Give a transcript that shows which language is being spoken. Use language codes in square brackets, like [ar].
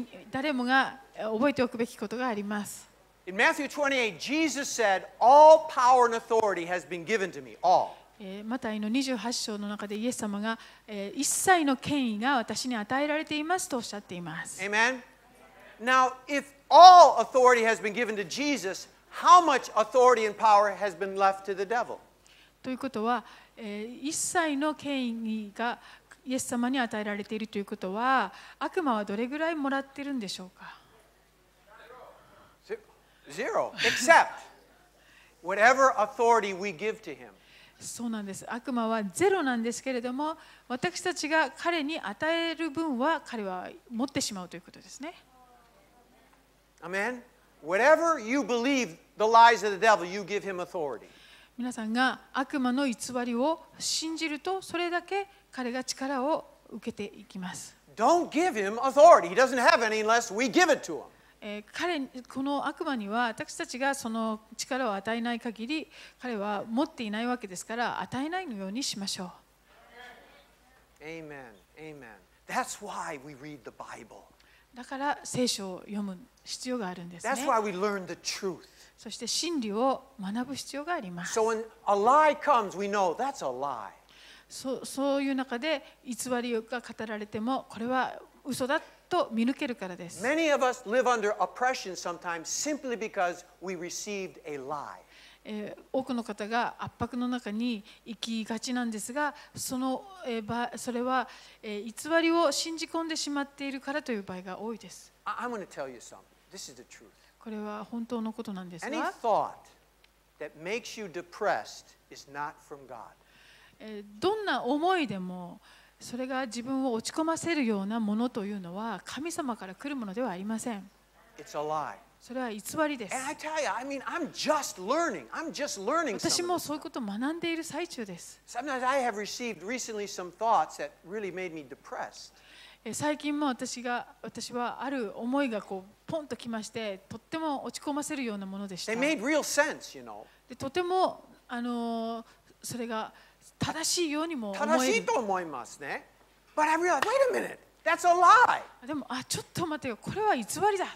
[ja] 誰もが覚えておくべきことがあります。 [en] In Matthew 28, Jesus said, "All power and authority has been given to me. All." [ja] マタイの28章の中でイエス様が、一切の権威が私に与えられていますとおっしゃっています。 [en] Amen. Now, if all authority has been given to Jesus, how much authority and power has been left to the devil? [ja] ということは、一切の権威がイエス様に与えられているということは、悪魔はどれぐらいもらっているんでしょうか？ [en] Zero. Except whatever authority we give to him. [ja] そうなんです。悪魔はゼロなんですけれども、私たちが彼に与える分は彼は持ってしまうということですね。 [en] Amen. Whatever you believe the lies of the devil, you give him authority. [ja] 皆さんが悪魔の偽りを信じると、それだけ彼が力を受けていきます。 [en] Don't give him authority. He doesn't have any unless we give it to him. [ja] 彼、この悪魔には私たちがその力を与えない限り彼は持っていないわけですから、与えないようにしましょう。 [en] Amen. Amen. That's why we read the Bible. [ja] だから聖書を読む必要があるんですね。 [en] That's why we learn the truth. [ja] そして真理を学ぶ必要があります。 [en] So when a lie comes, we know that's a lie. [ja] そういう中で偽りが語られてもこれは嘘だと見抜けるからです。 [en] Many of us live under oppression sometimes simply because we received a lie. [ja] 多くの方が圧迫の中に生きがちなんですが、それは偽りを信じ込んでしまっているからという場合が多いです。 [en] I'm going to tell you something. This is the truth. [ja] これは本当のことなんですが、 [en] Any thought that makes you depressed is not from God. [ja] どんな思いでもそれが自分を落ち込ませるようなものというのは神様から来るものではありません。 [en] It's a lie. [ja] それは偽りです。 [en] And I tell you, I mean, I'm just learning. I'm just learning. [ja] 私もそういうことを学んでいる最中です。 [en] Sometimes I have received recently some thoughts that really made me depressed. [ja] 最近も私はある思いがこうポンときまして、とっても落ち込ませるようなものでした。 [en] They made real sense, you know. [ja] でとてもそれが正しいようにも思える。正しいと思いますね。 [en] But I realized, wait a minute, that's a lie. [ja] でも、ちょっと待てよ、これは偽りだ。